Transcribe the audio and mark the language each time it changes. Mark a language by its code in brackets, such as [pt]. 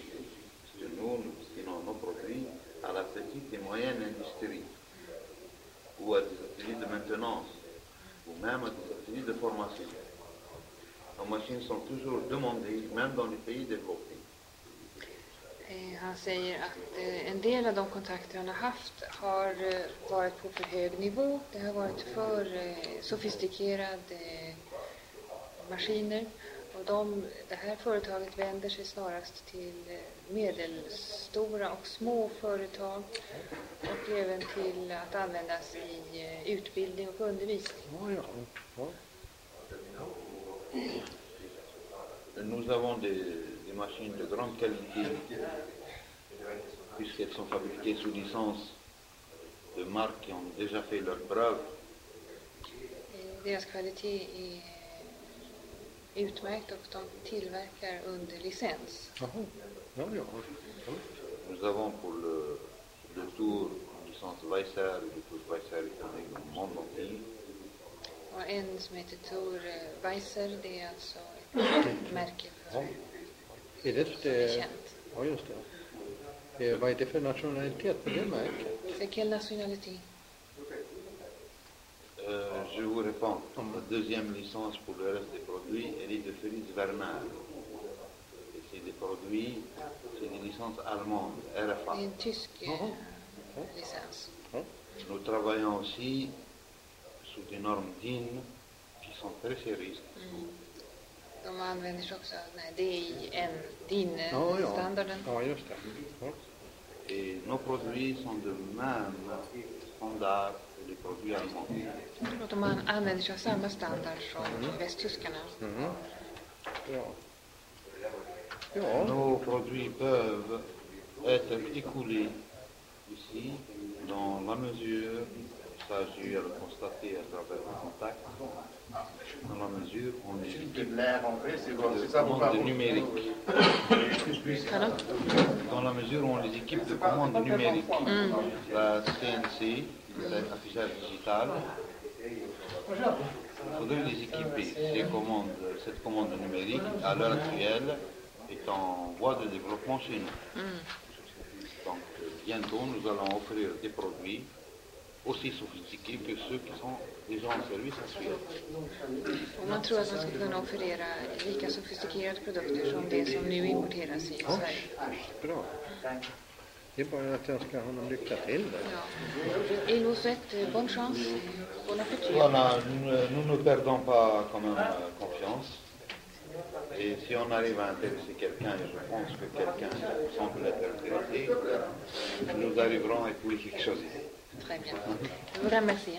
[fr] Parce que nous destinons nos produits à la petite et moyenne industrie. Ou à des ateliers de maintenance, ou même à des ateliers de formation. Nos machines sont toujours demandées, même dans les pays développés. [sv] Han säger att en del av de kontakter han har haft har varit på för hög nivå. Det har varit för sofistikerade maskiner. Och det här företaget vänder sig snarast till medelstora och små företag och även till att användas i utbildning och undervisning. Oh ja. [fr] Nous avons des machines de grande qualité puisqu'elles sont fabriquées sous licence de marques qui ont déjà fait leur preuve. [sv] Deras kvalitet är utmärkt och de tillverkar under licens. Jaha, ja, ja. [fr] Nous avons pour le tour en licence Weiser, le tour Weiser est un monde entier. [sv] Och en som heter Tour Weiser, det är alltså ett märke för det som är känt. Ja, just det. Vad är det för nationalitet på det märket? Vilken nationalitet? [fr] Je vous réponds. La deuxième licence pour le reste des produits, elle est de Fritz Werner. Et c'est des produits, c'est une licence allemande, RFA. Une tyske licence. Nous travaillons aussi sous des normes DIN qui sont très sérieuses. [sv] De använder sig också DIN, DIN-standarden. Ja, just det. [fr] Et nos produits sont de même standard. [sv] Och de använder sig av samma standard som västtyskarna. Ja. Ja. [fr] Nos produits peuvent être écoulés ici dans la mesure, ça j'ai eu à le constater à travers le contact, dans la mesure où on est dans la mesure où on les équipe de commandes numériques, la CNC. L'affichage digital. Il faudrait les équiper. Cette commande numérique, à l'heure actuelle, est en voie de développement chez nous. Donc, bientôt, nous allons offrir des produits aussi sofistiqués que ceux qui sont déjà en service à Suède. [sv] Och man tror att man ska kunna offerera lika sofistikerade produkter som det som nu importeras i Sverige. Bra. Det är bara att jag ska honom lycka till där. Ja. [fr] Il vous souhaite bonne chance. Bon appétit. Voilà, nous ne perdons pas quand même confiance. Et si on arrive à intéresser quelqu'un, et je pense que quelqu'un semble être intéressé, nous arriverons à écouter quelque chose. Très bien. Je vous remercie.